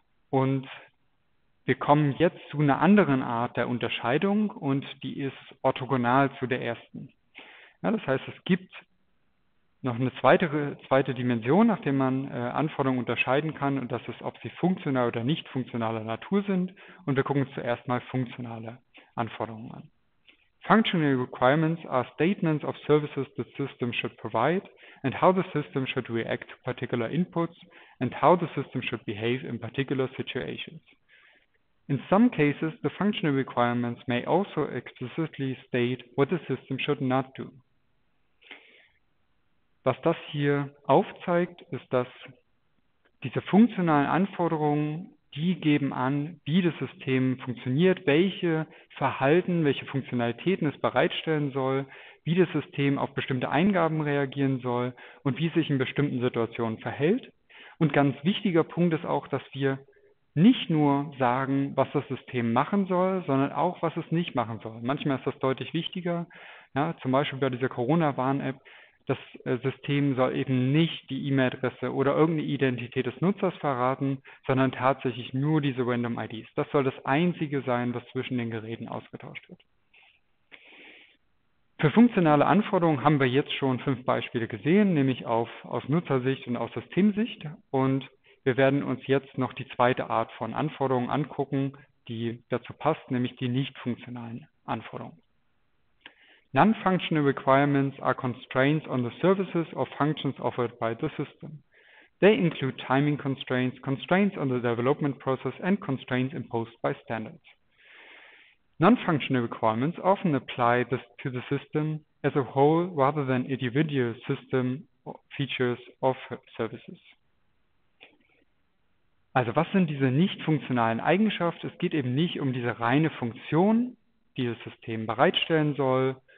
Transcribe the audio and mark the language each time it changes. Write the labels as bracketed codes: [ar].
[de] Und wir kommen jetzt zu einer anderen Art der Unterscheidung und die ist orthogonal zu der ersten. Ja, das heißt, es gibt noch eine zweite Dimension, nach der man Anforderungen unterscheiden kann und das ist, ob sie funktional oder nicht funktionaler Natur sind. Und wir gucken uns zuerst mal funktionale Anforderungen an. [en] Functional requirements are statements of services the system should provide and how the system should react to particular inputs and how the system should behave in particular situations. In some cases, the functional requirements may also explicitly state what the system should not do. [de] Was das hier aufzeigt, ist, dass diese funktionalen Anforderungen, die geben an, wie das System funktioniert, welche Verhalten, welche Funktionalitäten es bereitstellen soll, wie das System auf bestimmte Eingaben reagieren soll und wie es sich in bestimmten Situationen verhält. Und ganz wichtiger Punkt ist auch, dass wir nicht nur sagen, was das System machen soll, sondern auch, was es nicht machen soll. Manchmal ist das deutlich wichtiger. Ja, zum Beispiel bei dieser Corona-Warn-App. Das System soll eben nicht die E-Mail-Adresse oder irgendeine Identität des Nutzers verraten, sondern tatsächlich nur diese Random IDs. Das soll das Einzige sein, was zwischen den Geräten ausgetauscht wird. Für funktionale Anforderungen haben wir jetzt schon 5 Beispiele gesehen, nämlich aus Nutzersicht und aus Systemsicht. Und wir werden uns jetzt noch die zweite Art von Anforderungen angucken, die dazu passt, nämlich die nicht funktionalen Anforderungen. [en] Non-functional requirements are constraints on the services or functions offered by the system. They include timing constraints, constraints on the development process and constraints imposed by standards. Non-functional requirements often apply this to the system as a whole rather than individual system features or services. [de] Also, was sind diese nicht funktionalen Eigenschaften? Es geht eben nicht um diese reine Funktion, die das System bereitstellen soll.